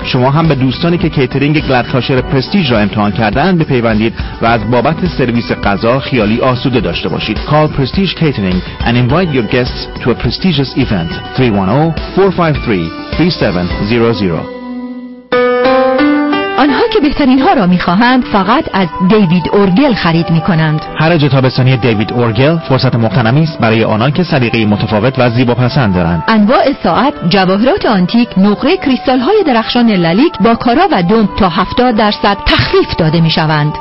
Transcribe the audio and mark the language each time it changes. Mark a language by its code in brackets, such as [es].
[fa] شما هم به دوستانی که کیترینگ گلدکاشر پرستیژ را امتحان کردن بپیوندید و از بابت سرویس غذا خیالی آسوده داشته باشید. [en] Call Prestige Catering and invite your guests to a prestigious event. 310-453-3700. [fa] آنها که بهترین ها را می‌خواهند فقط از دیوید اورگل خرید می‌کنند. هر جتابستانی دیوید اورگل فرصت مقتنمی است برای آنان که سلیقه متفاوت و زیبا پسند دارند. انواع ساعت، جواهرات آنتیک، نقره، کریستال‌های درخشان لالیک با کارا و دوم تا 70% تخفیف داده می‌شوند.